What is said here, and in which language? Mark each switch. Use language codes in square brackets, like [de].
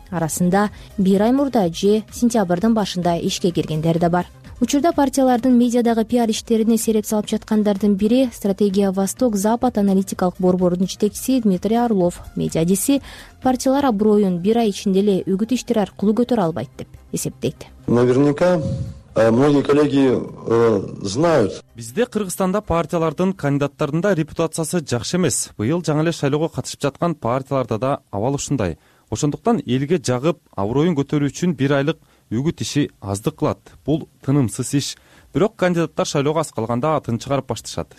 [ky] Арасында бир ай мурда же сентябрдын башында ишке киргендер да бар. Учурда партиялардын медиадагы пиар иштерине сереп салып жаткандардын бири стратегия Восток Запад аналитикалык борборунун жетекчиси Дмитрий Орлов. Медиа деси партиялар аброюн бир ай ичинде эле үгүт иштери аркылуу көтөрө албайт деп эсептейт. [ru] Наверняка многие коллеги знают. [ky] Бизде Кыргызстанда партиялардын кандидаттарында репутациясы жакшы эмес. Быйыл жаңы эле шайлоого катышып жаткан партияларда да абал ушундай. Ошондуктан элге жагып, аброюн көтөрүү үчүн бир айлык үгүт иши аздык кылат. Бул тынымсыз иш. Бирок кандидаттар шайлоого аз калганда атын чыгарып баштышат.